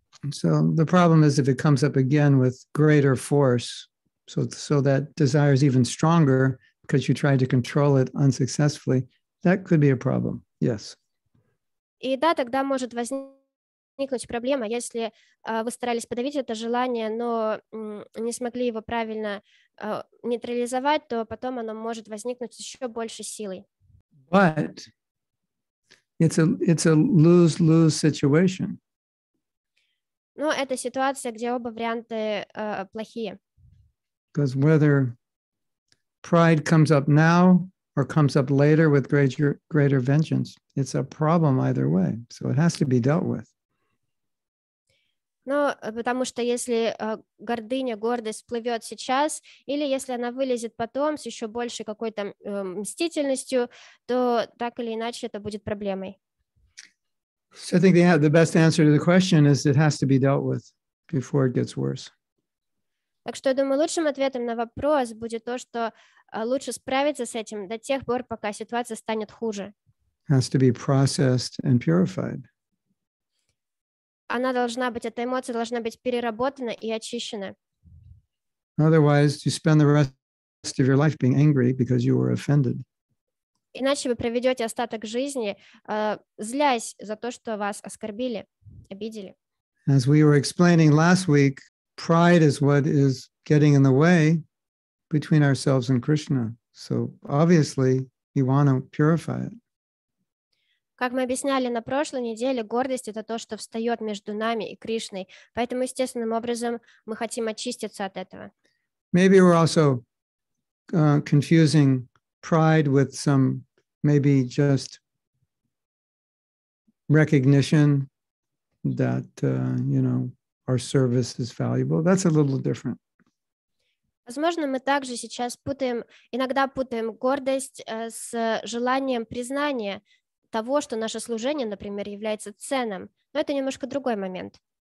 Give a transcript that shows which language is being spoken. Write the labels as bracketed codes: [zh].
[en] So the problem is if it comes up again with greater force, so that desire is even stronger because you tried to control it unsuccessfully, that could be a problem, yes. [ru] И да, тогда может возникнуть проблема, если вы старались подавить это желание, но не смогли его правильно нейтрализовать, то потом оно может возникнуть еще большей силой. [en] But it's a lose-lose situation. [ru] Но это ситуация, где оба варианта плохие. [en] Because whether pride comes up now or comes up later with greater vengeance, it's a problem either way. So it has to be dealt with. [ru] Но потому что если гордыня, гордость всплывет сейчас, или если она вылезет потом с еще большей какой-то мстительностью, то так или иначе это будет проблемой. [en] So I think the best answer to the question is it has to be dealt with before it gets worse. [ru] Так что я думаю, лучшим ответом на вопрос будет то, что лучше справиться с этим до тех пор, пока ситуация станет хуже. [en] Has to be processed and purified. [ru] Она должна быть, эта эмоция должна быть переработана и очищена. [en] Otherwise, you spend the rest of your life being angry because you were offended. [ru] Иначе вы проведете остаток жизни, злясь за то, что вас оскорбили, обидели. [en] As we were explaining last week, pride is what is getting in the way between ourselves and Krishna. So obviously, we want to purify it. [ru] Как мы объясняли на прошлой неделе, гордость — это то, что встает между нами и Кришной. Поэтому естественным образом мы хотим очиститься от этого. [en] Maybe we're also confusing pride with some maybe just recognition that you know, our service is valuable. That's a little different. [ru] Возможно, мы также сейчас иногда путаем гордость с желанием признания того, что наше служение, например, является ценным. Но это немножко другой момент.